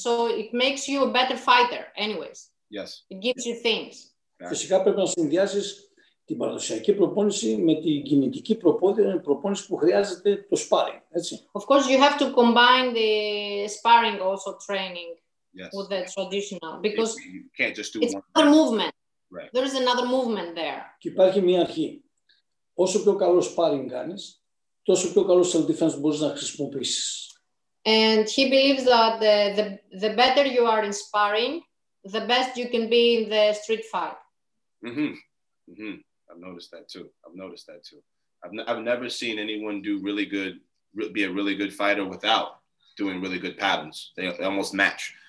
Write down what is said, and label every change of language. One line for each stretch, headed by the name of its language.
English: So it makes you a better fighter anyways. Yes. It gives you things.
Greek: Φυσικά πρέπει να συνδυάσεις την παραδοσιακή προπόνηση με την κινητική προπόνηση που χρειάζεται το sparring, έτσι.
English: Of course, you have to combine the sparring also training. Yes. With the traditional, because you can't just do it's one another movement. Right. There is another movement there.
Greek: Και υπάρχει μια αρχή. Όσο πιο καλό sparring κάνεις, τόσο πιο καλό self-defense μπορείς να χρησιμοποιήσεις.
English: And he believes that the better you are in sparring, the best you can be in the street fight. I've noticed that too. I've never seen anyone do really good, be a really good fighter without doing really good patterns. They almost match.